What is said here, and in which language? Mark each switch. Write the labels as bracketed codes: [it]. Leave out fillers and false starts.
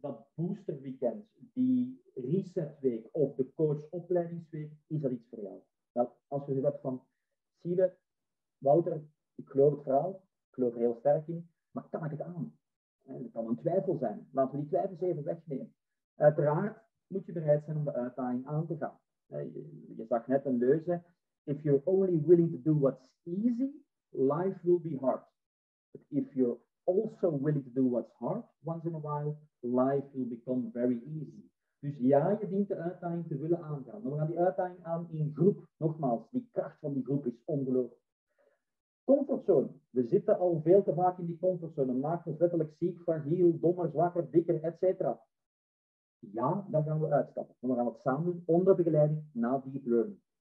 [nl] Dat boosterweekend, die resetweek of de coachopleidingsweek, is dat iets voor jou? Wel, als je zegt van, zie je, Wouter, ik geloof het verhaal, ik geloof er heel sterk in, maar kan ik het aan? Dat kan een twijfel zijn. Laten we die twijfels even wegnemen. Uiteraard moet je bereid zijn om de uitdaging aan te gaan. Je zag net een leuze. [en] If you're only willing to do what's easy, life will be hard. But if you're also willing to do what's hard, once in a while, life will become very easy. [nl] Dus ja, je dient de uitdaging te willen aangaan. Maar we gaan die uitdaging aan in groep. Nogmaals, die kracht van die groep is ongelooflijk. Comfortzone. We zitten al veel te vaak in die comfortzone. Dat maakt ons letterlijk ziek, fragiel, dommer, zwakker, dikker, etc. Ja, dan gaan we uitstappen. Maar we gaan het samen doen, onder begeleiding, na deep learning.